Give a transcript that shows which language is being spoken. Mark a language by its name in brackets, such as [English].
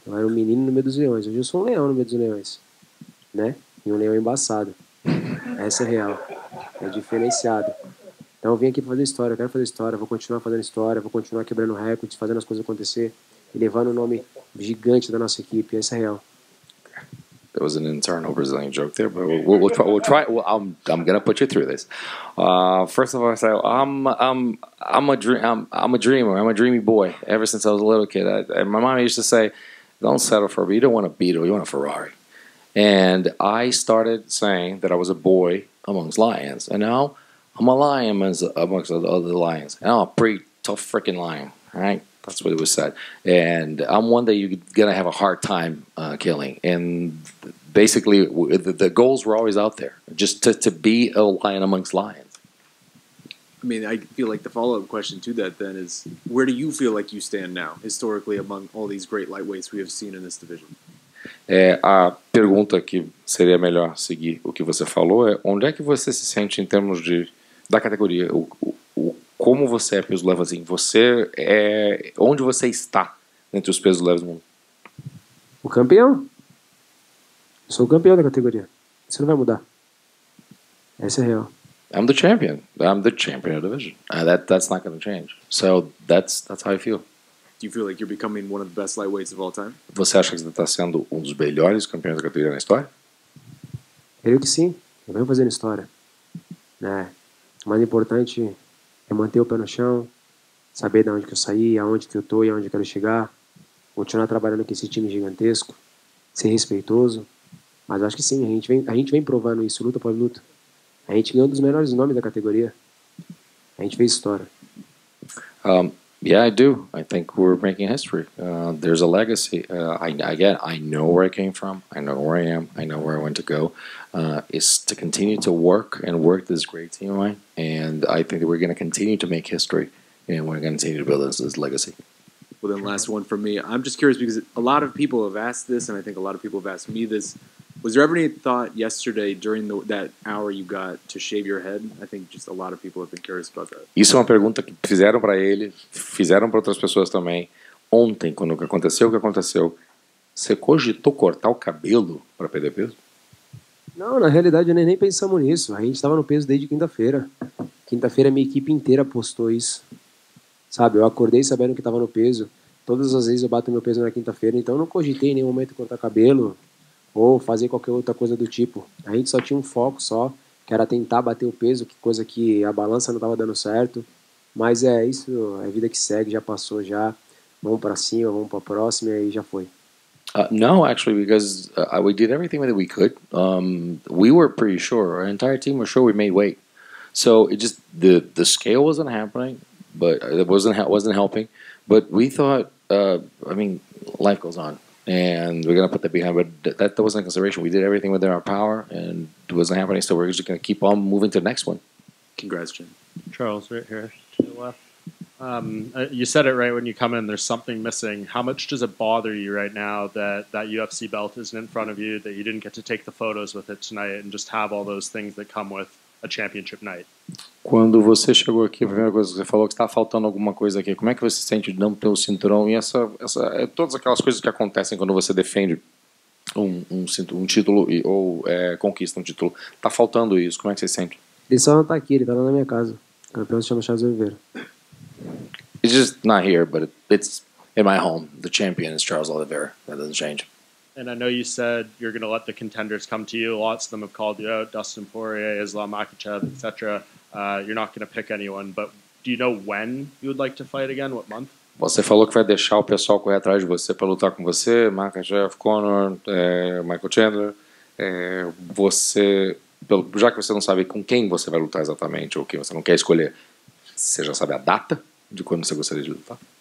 [Portuguese] Eu era um menino no meio dos leões. Hoje eu sou um leão no meio dos leões. Né? E um leão embaçado. Essa é real. É diferenciado. Então eu vim aqui pra fazer história. Eu quero fazer história. Vou continuar fazendo história. Vou continuar quebrando recordes, fazendo as coisas acontecer. E levando o nome gigante da nossa equipe. Essa é real. [English] That was an internal Brazilian joke there, but we'll try. I'm gonna put you through this. First of all, I say I'm a dreamer. I'm a dreamy boy. Ever since I was a little kid, and my mom used to say, "Don't settle for a Beetle. You don't want a Beetle. You want a Ferrari." And I started saying that I was a boy amongst lions, and now I'm a lion amongst the other lions. And I'm a pretty tough freaking lion, right? That's what it was said. And I'm one that you're going to have a hard time killing. And basically, the goals were always out there, just to be a lion amongst lions. I mean, I feel like the follow-up question to that then is, where do you feel like you stand now, historically, among all these great lightweights we have seen in this division? [Portuguese] É, a pergunta que seria melhor seguir o que você falou é, onde é que você se sente em termos de da categoria, como você é peso leve, assim, você é, onde você está entre os pesos leves do mundo? O campeão. Eu sou o campeão da categoria. Isso não vai mudar. Essa é a real. [English] I'm the champion. I'm the champion of the division. That's not going to change. So that's how I feel. Do you feel like you're becoming one of the best lightweights of all time? [Portuguese] Você acha que você está sendo um dos melhores campeões da categoria na história? Creio que sim. Eu venho fazendo história. Né? O mais importante é manter o pé no chão, saber de onde que eu saí, aonde que eu tô e aonde eu quero chegar, continuar trabalhando com esse time gigantesco, ser respeitoso, mas acho que sim, a gente vem provando isso, luta após luta. A gente ganhou um dos melhores nomes da categoria. A gente fez história. [English] Yeah, I do. I think we're making history. There's a legacy. I know where I came from. I know where I am. I know where I want to go. It's to continue to work and work this great team, right? And I think that we're going to continue to make history. And we're going to continue to build this legacy. Well, then last one for me. I'm just curious because a lot of people have asked this, and I think a lot of people have asked me this. Was there ever any thought yesterday during that hour you got to shave your head? I think just a lot of people have been curious about that. [Portuguese] Isso é uma pergunta que fizeram para ele, fizeram para outras pessoas também. Ontem, quando aconteceu o que aconteceu, você cogitou cortar o cabelo para perder peso? Não, na realidade nem pensamos nisso. A gente estava no peso desde quinta-feira. Quinta-feira minha equipe inteira postou isso. Sabe, eu acordei sabendo que estava no peso. Todas as vezes eu bato meu peso na quinta-feira, então eu não cogitei em nenhum momento cortar cabelo. Ou fazer qualquer outra coisa do tipo. A gente só tinha um foco só, que era tentar bater o peso, que coisa que a balança não tava dando certo. Mas é isso, é vida que segue, já passou já. Vamos para cima, vamos para a próxima e já foi. [English] No, actually, because we did everything that we could. We were pretty sure, our entire team was sure we made weight. So it just the scale wasn't happening, but it wasn't helping, but we thought life goes on. And we're going to put that behind, but that wasn't a consideration. We did everything within our power, and it wasn't happening, so we're just going to keep on moving to the next one. Congrats, Jim. Charles, right here, to the left. You said it right when you come in, there's something missing. How much does it bother you right now that UFC belt isn't in front of you, that you didn't get to take the photos with it tonight, and just have all those things that come with a championship night? [Portuguese] Quando você chegou aqui, a primeira coisa que você falou que estava faltando alguma coisa aqui. Como é que você se sente de não ter o cinturão? E essa todas aquelas coisas que acontecem quando você defende um título ou conquista um título. Está faltando isso. Como é que você se sente? Ele só não está aqui. Ele está lá na minha casa. O campeão se chama Charles Oliveira. [English] He's just not here, but it's in my home. The champion is Charles Oliveira. That doesn't change. And I know you said you're going to let the contenders come to you. Lots of them have called you out. Dustin Poirier, Islam Makhachev, etc. You're not going to pick anyone. But do you know when you would like to fight again? What month? [Portuguese] Você falou que vai deixar o pessoal correr atrás de você para lutar com você. Makhachev, Conor, Michael Chandler. Você, já que você não sabe com quem você vai lutar exatamente, ou quem você não quer escolher, você já sabe a data de quando você gostaria de lutar?